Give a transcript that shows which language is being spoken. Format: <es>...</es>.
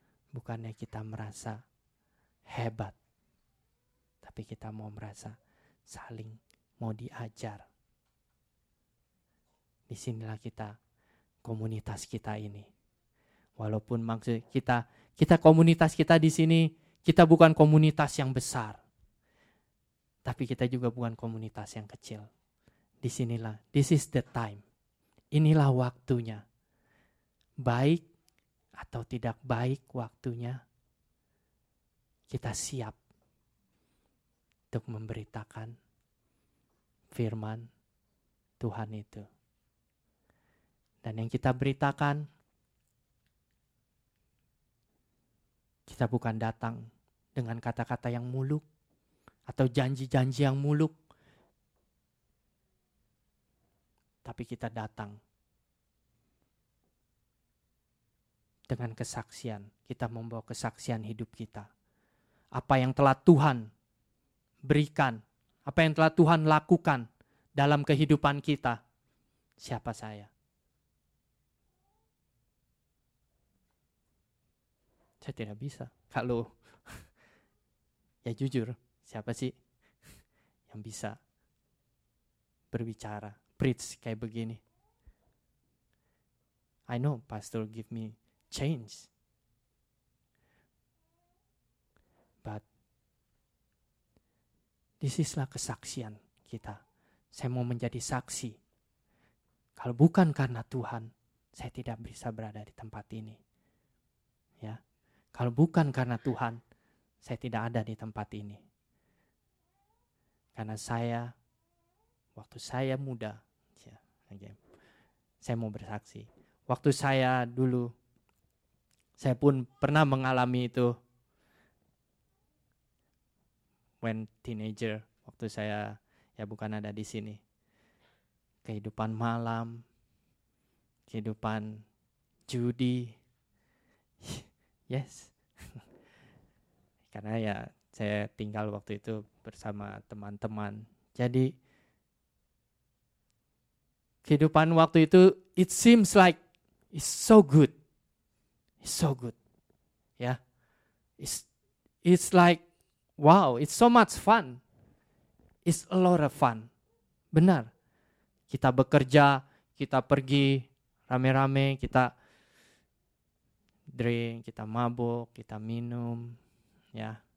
<id>Bukannya kita merasa hebat. Tapi kita mau merasa saling mau diajar. Disinilah kita, komunitas kita ini. Walaupun maksud kita komunitas kita di sini, kita bukan komunitas yang besar. Tapi kita juga bukan komunitas yang kecil. Disinilah,</id> <en>this is the time.</en> <id>Inilah waktunya. Baik atau tidak baik waktunya, kita siap untuk memberitakan firman Tuhan itu. Dan yang kita beritakan, kita bukan datang dengan kata-kata yang muluk atau janji-janji yang muluk, tapi kita datang dengan kesaksian. Kita membawa kesaksian hidup kita. Apa yang telah Tuhan berikan, apa yang telah Tuhan lakukan dalam kehidupan kita. Siapa saya? Saya tidak bisa. Kalau ya jujur, siapa sih yang bisa berbicara, preach kayak begini?</id> <en>I know pastor give me change. But this is</en> <id>lah kesaksian kita. Saya mau menjadi saksi. Kalau bukan karena Tuhan, saya tidak bisa berada di tempat ini. Ya. Kalau bukan karena Tuhan, saya tidak ada di tempat ini. Karena saya, waktu saya muda, saya mau bersaksi. Waktu saya dulu, saya pun pernah mengalami itu.</id> <en>When teenager,</en> <id>waktu saya, ya bukan ada di sini. Kehidupan malam, kehidupan judi.</id> <en>Yes.</en> <id>Karena ya saya tinggal waktu itu bersama teman-teman. Jadi kehidupan waktu itu,</id> <en>it seems like it's so good.</en> <id>Ya.</id> <en>Yeah. It's like wow, it's so much fun. It's a lot of fun.</en> <id>Benar. Kita bekerja, kita pergi rame-rame, kita drink, kita mabuk, kita minum, ya.</id> <en>Yeah.</en>